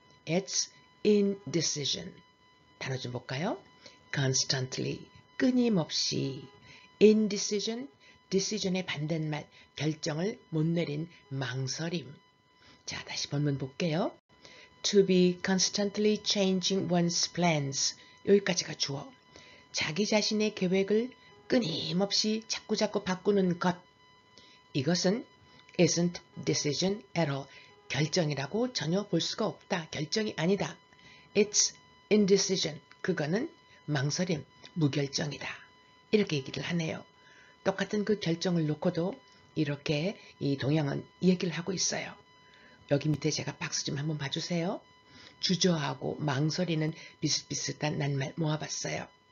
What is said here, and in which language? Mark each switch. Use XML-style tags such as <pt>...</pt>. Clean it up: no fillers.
<en>It's indecision.</en> <ko>단어 좀 볼까요? Constantly, 끊임없이. Indecision, decision의 반대말, 결정을 못 내린 망설임. 자, 다시 본문 볼게요.</ko> <en>To be constantly changing one's plans.</en> <ko>여기까지가 주어. 자기 자신의 계획을 끊임없이 자꾸자꾸 바꾸는 것. 이것은</ko> <en>isn't decision at all.</en> <ko>결정이라고 전혀 볼 수가 없다. 결정이 아니다.</ko> <en>It's indecision.</en> <ko>그거는 망설임, 무결정이다. 이렇게 얘기를 하네요. 똑같은 그 결정을 놓고도 이렇게 이 동양은 얘기를 하고 있어요. 여기 밑에 제가 박스 좀 한번 봐주세요. 주저하고 망설이는 비슷비슷한 낱말 모아봤어요.</ko>